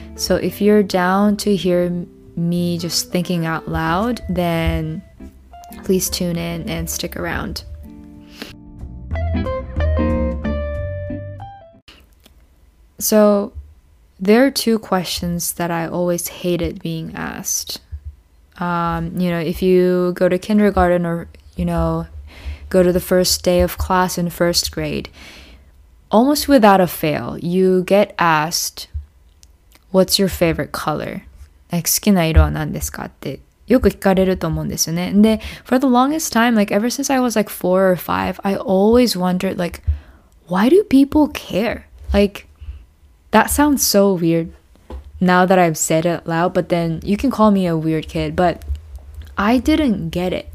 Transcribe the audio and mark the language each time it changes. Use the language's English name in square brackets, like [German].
[English] So if you're down to hear me just thinking out loud, then please tune in and stick aroundSo, there are two questions that I always hated being asked. You know, if you go to kindergarten or, you know, go to the first day of class in first grade, almost without a fail, you get asked, what's your favorite color? [Japanese] 好きな色は何ですかってよく聞かれると思うんですよね。 [English] で、for the longest time, like ever since I was like 4 or 5, I always wondered, like, why do people care? Like,That sounds so weird now that I've said it loud, but then you can call me a weird kid, but I didn't get it.